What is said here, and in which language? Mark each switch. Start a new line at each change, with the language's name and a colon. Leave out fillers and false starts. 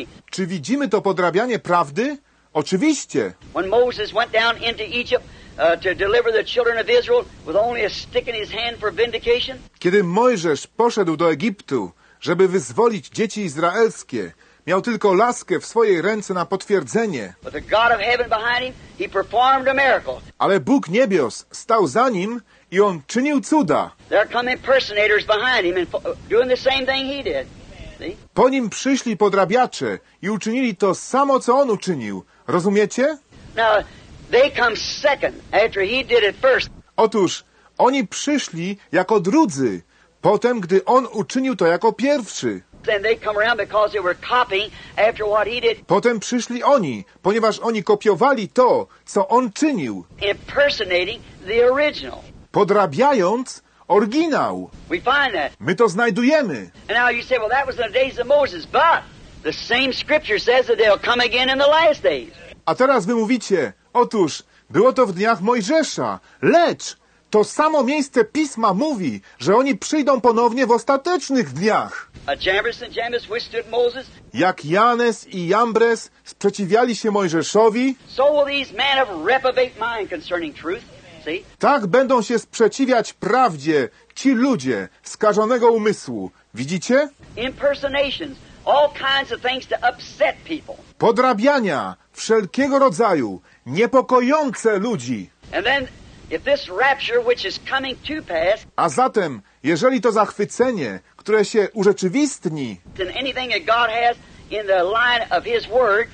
Polish: Czy widzimy to podrabianie prawdy? Oczywiście.
English: When Moses went down into Egypt to deliver the children of Israel with only a stick in his hand for vindication?
Polish: Kiedy Mojżesz poszedł do Egiptu, żeby wyzwolić dzieci izraelskie, miał tylko laskę w swojej ręce na potwierdzenie.
English: But the God of heaven behind him, he performed a miracle.
Polish: Ale Bóg niebios stał za nim i on czynił cuda.
English: There come impersonators behind him and doing the same thing he did.
Polish: Po nim przyszli podrabiacze i uczynili to samo, co on uczynił. Rozumiecie?
English: Now, they come second after he did it first.
Polish: Otóż, oni przyszli jako drudzy, potem, gdy on uczynił to jako pierwszy.
English: Then they come around because they were copying after what he did.
Polish: Potem przyszli oni, ponieważ oni kopiowali to, co on czynił.
English: Impersonating the original.
Polish: Podrabiając oryginał.
English: We find that.
Polish: My to znajdujemy.
English: And now you say, well, that was in the days of Moses, but the same scripture says that they'll come again in the last days.
Polish: A teraz wy mówicie, otóż, było to w dniach Mojżesza, lecz to samo miejsce Pisma mówi, że oni przyjdą ponownie w ostatecznych dniach.
English: A Jambres and Jambres withstood Moses.
Polish: Jak Janes i Jambres sprzeciwiali się Mojżeszowi,
English: so will these men of reprobate mind concerning truth.
Polish: Tak będą się sprzeciwiać prawdzie ci ludzie skażonego umysłu. Widzicie?
English: Impersonations, all kinds of things to upset people.
Polish: Podrabiania wszelkiego rodzaju, niepokojące ludzi.
English: And then, if this rapture, which is coming to pass,
Polish: a zatem, jeżeli to zachwycenie, które się urzeczywistni,
English: then anything that God has in the line of his word,